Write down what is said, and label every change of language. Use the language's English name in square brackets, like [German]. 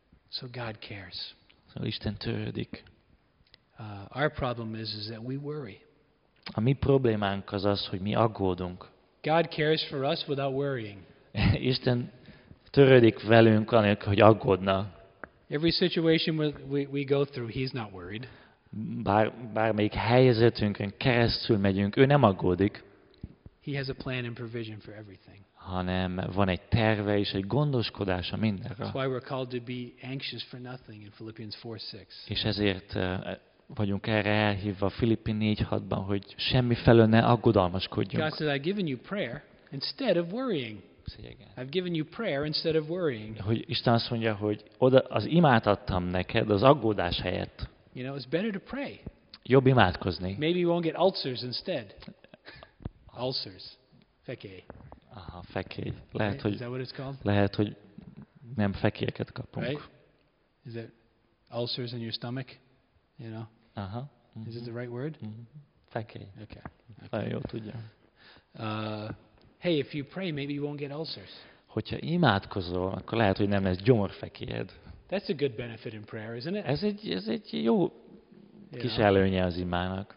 [English] So God cares. [Hungarian] So Isten törődik. [English] Our problem is that we worry. [Hungarian] A mi problémánk az, hogy mi aggódunk. [English] God cares for us without worrying. [Hungarian] Isten törődik velünk anélkül, hogy aggódna. [English] Every situation we go through, he's not worried. [Hungarian] Bármelyik helyzetünkön keresztül megyünk, ő nem aggódik. [English] He has a plan and provision for everything. [Hungarian] Hanem van egy terve és egy gondoskodása mindenre. [English] That's why we're called to be anxious for nothing in Philippians 4:6. [Hungarian] És ezért vagyunk erre elhívva Filippi 4:6-ban, hogy semmi felől ne aggodalmaskodjunk. [English] God said, I've given you prayer instead of worrying. I've given you prayer instead of worrying. [Hungarian] Hogy Isten azt mondja, hogy oda az imát adtam neked az aggódás helyett. [English] You know, it's better to pray. [Hungarian] Jobb imádkozni. [English] Maybe you won't get ulcers instead. Ulcers. Fekély. [Hungarian] Aha, fekély. Lehet, hogy nem fekélyeket kapunk. [English] Right? Is it ulcers in your stomach? You know. Aha. Mm-hmm. Is it the right word? [Hungarian] Mm-hmm. Fekély. [English] Okay. [Hungarian] Nagyon jól tudja. [English] Hey, if you pray, maybe you won't get ulcers. [Hungarian] Hogyha imádkozol, akkor lehet, hogy nem lesz gyomorfekélyed. [English] That's a good benefit in prayer, isn't it? [Hungarian] Ez egy jó kis előnye az imának.